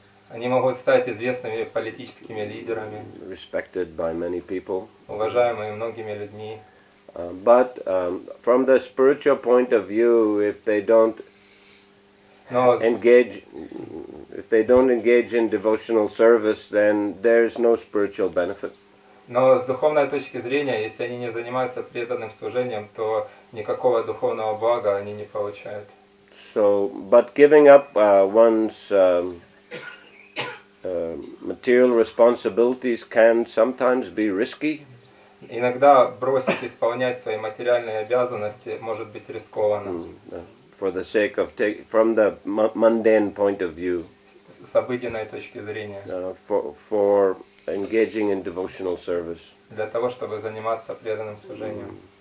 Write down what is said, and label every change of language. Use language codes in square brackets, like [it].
[ru] Они могут стать известными политическими лидерами. [en] Respected by many people. [ru] Уважаемые многими людьми. [en] But from the spiritual point of view, if they don't engage in devotional service, then there is no spiritual benefit. [ru] Но с духовной точки зрения, если они не занимаются преданным служением, то никакого духовного блага они не получают. [en] So, but giving up one's material responsibilities can sometimes be risky. [ru] Иногда бросить исполнять свои материальные обязанности может быть рискованно. [en] For the sake of from the mundane point of view. [ru] С обыденной точки зрения. [en] For engaging in devotional service. [ru] Для того, чтобы заниматься преданным служением.